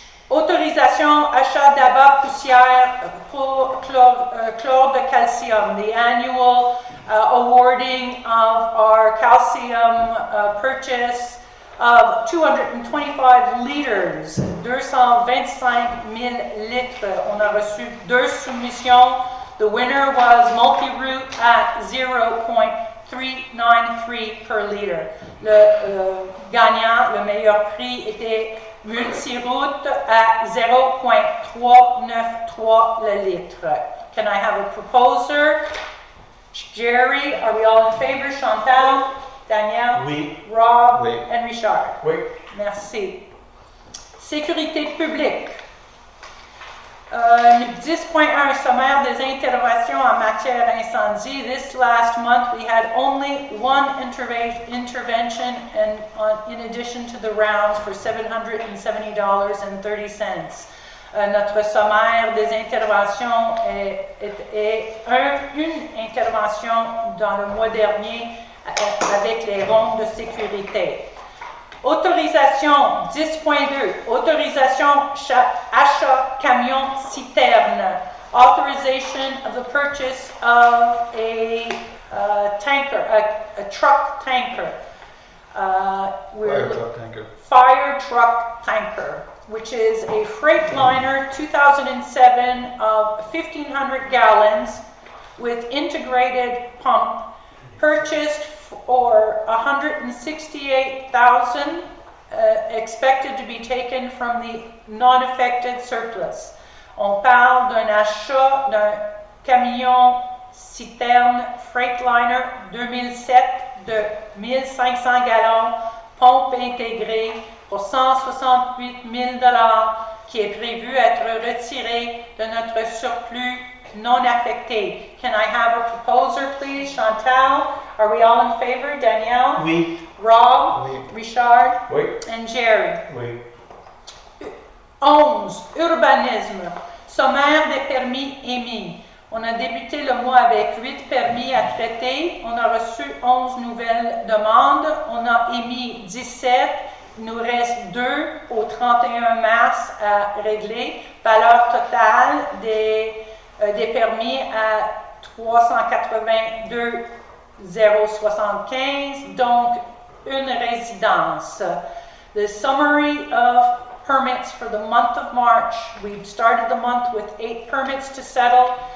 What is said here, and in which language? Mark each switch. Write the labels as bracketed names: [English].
[French] Autorisation achat d'abat poussière pour chlore de calcium, [English] the annual awarding of our calcium purchase of 225 liters, 225 000 litres. [French] On a reçu deux soumissions. [English] The winner was multi-route at 0.393 per liter. [French] Le gagnant, le meilleur prix, était multi-route à 0.393 le litre. [English] Can I have a proposer? Jerry, are we all in favor? Chantal, Danielle, [French] oui. Rob, oui. [English] And Richard? [French] Oui. Merci. Sécurité publique. 10.1 sommaire des interventions en matière d'incendie. [English] This last month we had only one intervention and in addition to the rounds for $770.30. [French] Notre sommaire des interventions est une intervention dans le mois dernier avec les rondes de sécurité. Autorisation 10.2, autorisation achat camion citerne, [English] authorization of the purchase of a tanker, a truck tanker. Fire truck tanker, which is a Freightliner 2007 of 1,500 gallons with integrated pump, purchased for $168,000, expected to be taken from the non-affected surplus. [French] On parle d'un achat d'un camion citerne Freightliner 2007 de 1500 gallons, pompe intégrée pour $168,000 qui est prévu être retiré de notre surplus non affecté. [English] Can I have a proposer, please? Chantal, are we all in favor? Danielle? [French] Oui. Rob? Oui. Richard? Oui. [English] And Jerry? [French] Oui. 11. Urbanisme. Sommaire des permis émis. On a débuté le mois avec 8 permis à traiter. On a reçu 11 nouvelles demandes. On a émis 17. Il nous reste 2 au 31 mars à régler. Valeur totale des permis à 382,075, donc une résidence. [English] The summary of permits for the month of March. We started the month with 8 permits to settle.